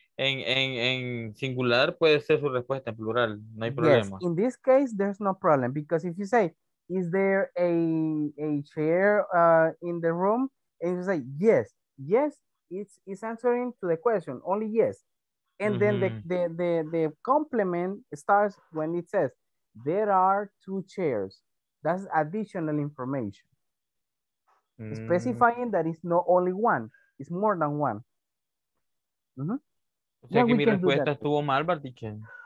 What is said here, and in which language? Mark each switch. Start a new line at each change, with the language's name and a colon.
Spanish: En singular puede ser su respuesta en plural, no hay problema.
English: Yes, in this case there's no problem because if you say is there a chair in the room and you say yes, it's answering to the question only yes, and mm-hmm. then the complement starts when it says there are two chairs. That's additional information specifying that it's not only one, it's more than one. Mm-hmm.
Spanish: O sea, yeah, que mi respuesta estuvo mal, Bartiche.